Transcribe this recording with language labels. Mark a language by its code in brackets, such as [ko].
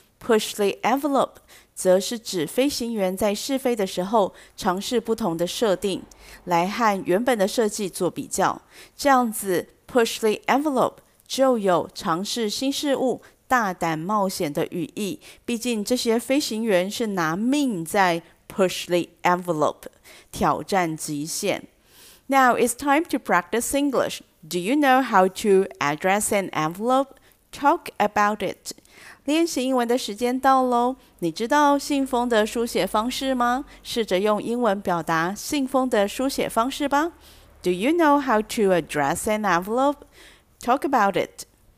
[zh] Push the envelope 则是指飞行员在试飞的时候尝试不同的设定来和原本的设计做比较，这样子 push the envelope 就有尝试新事物大胆冒险的语义，毕竟这些飞行员是拿命在 push the envelope 挑战极限。 [en] Now it's time to practice English. Do you know how to address an envelope? Talk about it. [zh] 练习英文的时间到咯，你知道信封的书写方式吗？试着用英文表达信封的书写方式吧。 [en] Do you know how to address an envelope? Talk about it.